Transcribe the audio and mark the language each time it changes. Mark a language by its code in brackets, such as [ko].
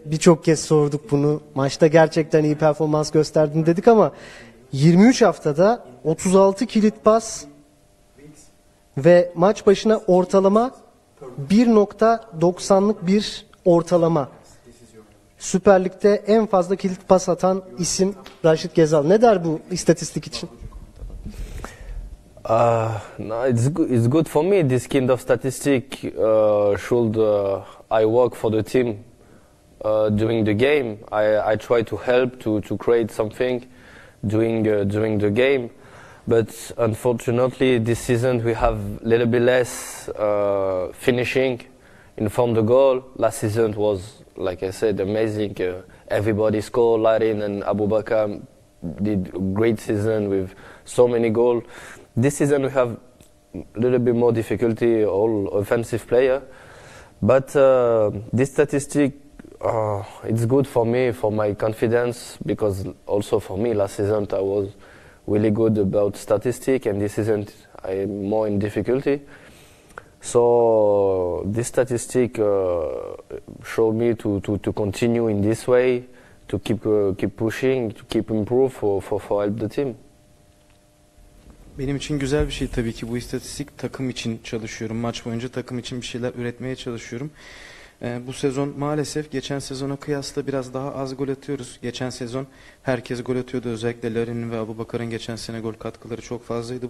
[tr] Birçok kez sorduk bunu. Maçta gerçekten iyi performans gösterdin dedik ama 23 haftada 36 kilit pas ve maç başına ortalama 1.90'lık bir ortalama. Süper Lig'de en fazla kilit pas atan isim Raşit Gezal. Ne der bu istatistik için? [en] No, it's good for me. This kind of statistic should I work for the team during the game. I try to help to create something during the game. But unfortunately, this season we have a little bit less finishing in front of the goal. Last season was, like I said, amazing. Everybody scored. Larin and Aboubakar did great season with so many goals. This season we have a little bit more difficulty, all offensive player. But this statistic, it's good for me, for my confidence, because also for me last season I was really good about statistic, and this season I'm more in difficulty. So this statistic show me to continue in this way, to keep pushing, to keep improve for help the team. [tr] Benim için güzel bir şey tabii ki bu istatistik. Takım için çalışıyorum. Maç boyunca takım için bir şeyler üretmeye çalışıyorum. Bu sezon maalesef geçen sezona kıyasla biraz daha az gol atıyoruz. Geçen sezon herkes gol atıyordu. Özellikle Larin'in ve Aboubakar'ın geçen sene gol katkıları çok fazlaydı.